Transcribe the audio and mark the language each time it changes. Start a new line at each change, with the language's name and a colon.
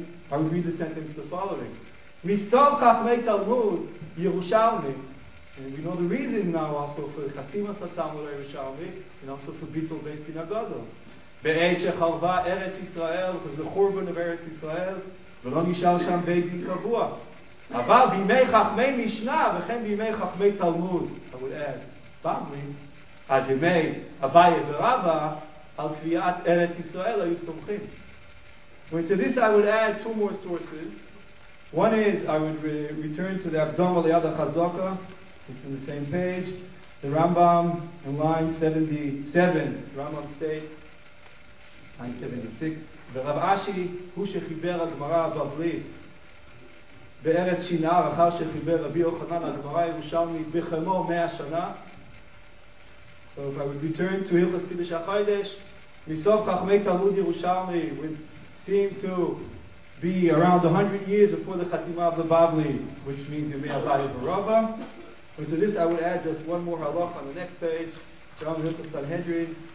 English: I would read the sentence the following.
Hebrew: Misov Chachmei Talmud Yerushalmi.
English: And we know the reason now also for the Chasimas HaTalmud Yerushalmi and also for Bitul Beis Din HaGadol.
Hebrew: Ve'et she'chavva Eretz Yisrael,
English: because the Churban of Eretz Yisrael,
Hebrew: ולא נשאר שם בית דין קבוע. אבל בימי חכמי משנה, וכן בימי חכמי תלמוד,
English: I would add,
Hebrew: פעמי, עד ימי אביי ורבא, על קביעת ארץ ישראל היו סומכים.
English: And to this I would add two more sources. One is, I would return to the Akdamah Liyad HaChazaka, it's in the same page. The Rambam, in line 77, Rambam states, line 76,
Hebrew: ורב אשי הוא שחיבר הגמרא הבבלית בארץ שינער אחר שחיבר רבי יוחנן הגמרא הירושלמית בחמו 100 שנה.
English: So if I would return to Hilchos Kiddush HaChodesh,
Hebrew: מסוף חכמי תלמוד ירושלמי
English: would seem to be around 100 years before the חתימה of the Bavli, which means you may have Abaye v'Rava. But to this I would add just one more halach on the next page, from Hilchos Sanhedrin.